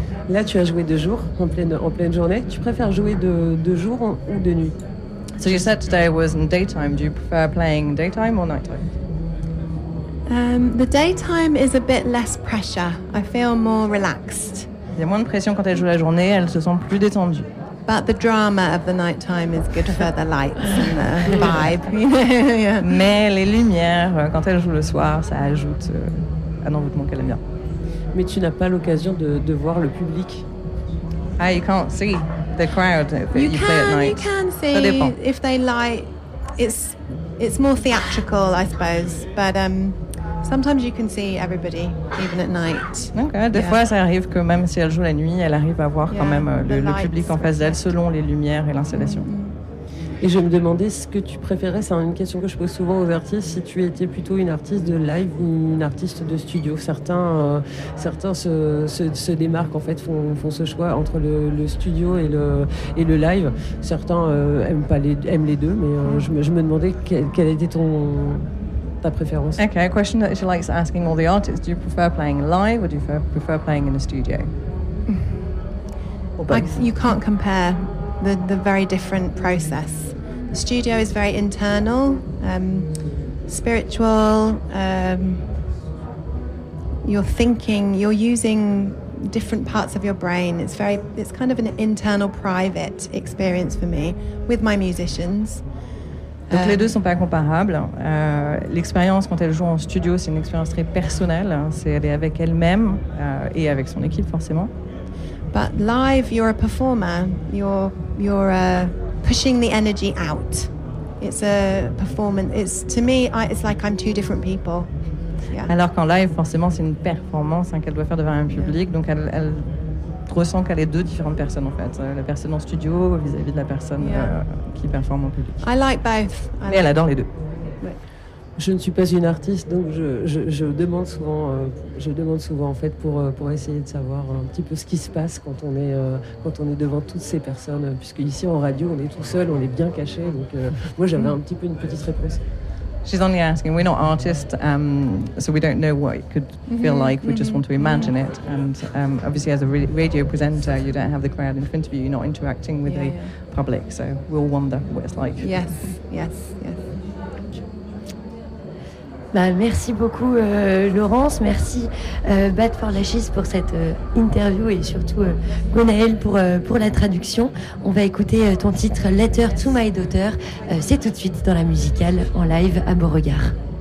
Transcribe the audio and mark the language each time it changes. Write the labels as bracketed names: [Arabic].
[French] Là, tu as joué deux jours en pleine journée. Tu préfères jouer de jour ou de nuit? [English] So you said today was in daytime. Do you prefer playing daytime or nighttime? The daytime is a bit less pressure. I feel more relaxed. [French] Il y a moins de pression quand elle joue la journée, elle se sent plus détendue. [English] But the drama of the night time is good for the lights and the vibe. You know? [French] Mais les lumières, quand elle joue le soir, ça ajoute un envoûtement qu'elle aime bien. Mais tu n'as pas l'occasion de voir le public. [English] Ah, you can't see the crowd if you play at night. You can see if they light. It's more theatrical, I suppose. But sometimes you can see everybody even at night. Okay. [French] Des fois, ça arrive que même si elle joue la nuit, elle arrive à voir quand même le public en face d'elle selon les lumières et l'installation. Et je me demandais ce que tu préférais. C'est une question que je pose souvent aux artistes. Si tu étais plutôt une artiste de live ou une artiste de studio. Certains se démarquent, en fait, font ce choix entre le studio et le live. Certains aiment les deux, mais je me demandais quelle était ta préférence. [English] Okay, a question that she likes asking all the artists. Do you prefer playing live or do you prefer playing in a studio? You can't compare. The very different process. The studio is very internal, spiritual. You're thinking, you're using different parts of your brain. It's kind of an internal, private experience for me with my musicians. [French] Donc les deux sont pas comparables. L'expérience quand elle joue en studio, c'est une expérience très personnelle. C'est elle est avec elle-même et avec son équipe forcément. [English] But live, you're a performer. You're pushing the energy out. It's a performance. It's like I'm two different people. Yeah. [French] Alors qu'en live, forcément, c'est une performance qu'elle doit faire devant un public. Yeah. Donc elle ressent qu'elle est deux différentes personnes en fait. La personne en studio vis-à-vis de la personne qui performe en public. [English] I like both. [French] Mais elle adore les deux. Je ne suis pas une artiste, donc je demande souvent en fait pour essayer de savoir un petit peu ce qui se passe quand on est devant toutes ces personnes, puisque ici en radio on est tout seul, on est bien caché, donc moi j'avais un petit peu une petite réponse. [English] She's only asking. We're not artists, so we don't know what it could feel like. We just want to imagine it. And obviously, as a radio presenter, you don't have the crowd in front of you. You're not interacting with the public, so we'll wonder what it's like. Yes. Yes. Yes. [French] Bah, merci beaucoup Laurence, merci Bad for Lashes pour cette interview et surtout Gwenaëlle pour la traduction. On va écouter ton titre Letter to My Daughter, c'est tout de suite dans la musicale en live à Beauregard.